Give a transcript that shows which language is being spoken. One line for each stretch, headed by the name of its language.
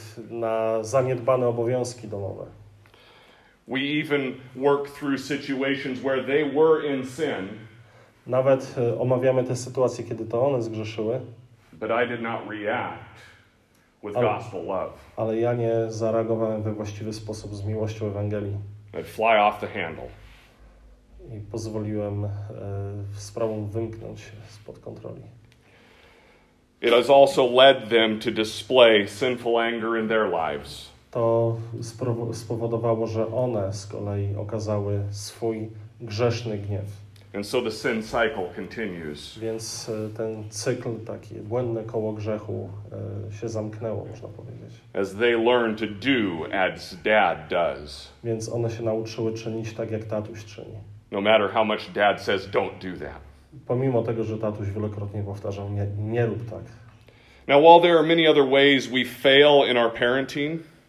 Polish: Na zaniedbane obowiązki domowe.
English: We even work through situations where they were in sin.
Polish: Nawet omawiamy te sytuacje, kiedy to one zgrzeszyły.
English: But I did not react with gospel love.
Polish: Ale ja nie zareagowałem we właściwy sposób z miłością Ewangelii.
English: I'd fly off the handle.
Polish: I pozwoliłem sprawom wymknąć się spod kontroli.
English: It has also led them to display sinful anger in their lives.
Polish: To spowodowało, że one z kolei okazały swój grzeszny gniew.
English: And so the sin cycle continues.
Polish: Więc ten cykl, takie błędne koło grzechu, się zamknęło, można powiedzieć.
English: As they learn to do as dad does.
Polish: Więc one się nauczyły czynić tak, jak tatuś czyni.
English: No matter how much dad says, don't do that.
Polish: Pomimo tego, że tatuś wielokrotnie powtarzał, nie rób tak.
English: Now, while there are many other ways we fail in our parenting,